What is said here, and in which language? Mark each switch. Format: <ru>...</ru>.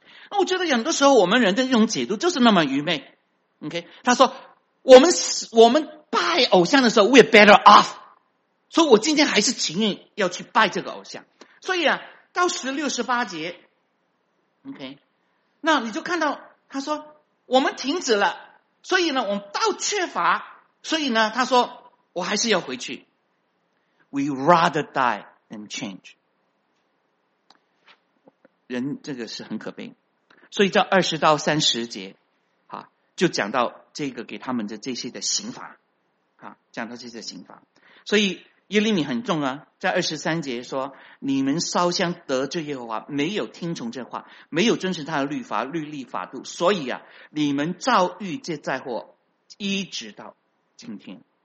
<zh>那我觉得很多时候我们人的这种解读就是那么愚昧。OK， 他说我们拜偶像的时候</zh> <en>we're better off，</en> <zh>所以我今天还是情愿要去拜这个偶像。所以啊到16-18节OK， 那你就看到他说我们停止了，所以呢我们倒缺乏，所以呢他说我还是要回去。</zh> <en>We rather die than change，</en> <zh>人这个是很可悲。所以在20-30节啊，就讲到这个给他们的这些的刑罚啊，讲到这些刑罚。所以耶利米很重啊，在23节说你们烧香得罪耶和华，没有听从这话，没有遵循他的律法律例法度，所以啊你们遭遇这灾祸一直到今天。</zh>